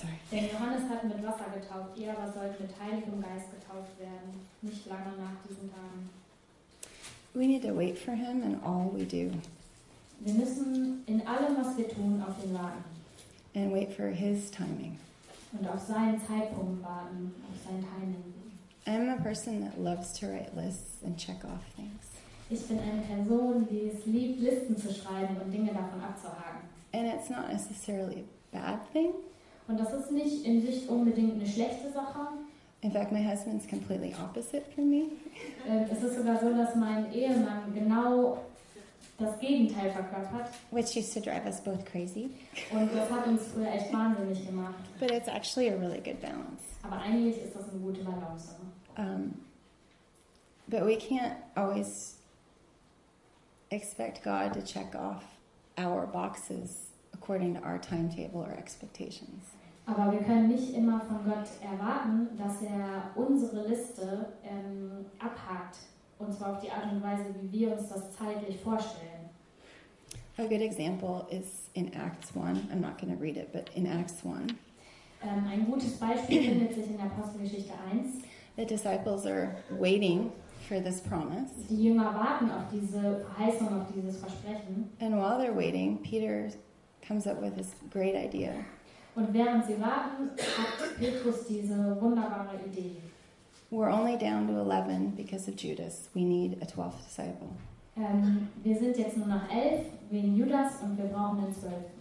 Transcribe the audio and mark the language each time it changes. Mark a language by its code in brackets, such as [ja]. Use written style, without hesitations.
[de] Denn Johannes hat mit Wasser getauft, ihr aber sollt mit Heiligem Geist getauft werden, nicht lange nach diesen Tagen. [en] We need to wait for him in all we do. [de] Wir müssen in allem, was wir tun, auf ihn warten. [en] And wait for his timing. [de] Und auf seinen Zeitpunkt warten, auf sein Timing. [en] I'm a person that loves to write lists and check off things. [de] Ich bin eine Person, die es liebt, Listen zu schreiben und Dinge davon abzuhaken. [en] And it's not necessarily a bad thing. [de] Und das ist nicht in sich unbedingt eine schlechte Sache. [en] In fact, my husband's completely opposite from me. [de] Es ist sogar so, dass mein Ehemann genau das Gegenteil verkörpert. [en] Which used to drive us both crazy. [de] Und das hat uns früher echt wahnsinnig gemacht. [en] But it's actually a really good balance. [de] Aber eigentlich ist das eine gute Balance. [en] But we can't always expect God to check off our boxes according to our timetable or expectations. [de] Aber wir können nicht immer von Gott erwarten, dass er unsere Liste abhakt. Und zwar auf die Art und Weise, wie wir uns das zeitlich vorstellen. [en] A good example is in Acts 1. I'm not going to read it, but in Acts 1. [de] Ein gutes Beispiel findet sich in Apostelgeschichte 1. [en] The disciples are waiting for this promise. [de] Die Jünger warten auf diese Verheißung, auf dieses Versprechen. [en] And while they're waiting, Peter comes up with this great idea. [de] Und während sie warten, hat Petrus diese wunderbare Idee. [en] We're only down to 11 because of Judas. We need a 12th disciple. [de] Wir sind jetzt nur noch 11 wegen Judas und wir brauchen den 12.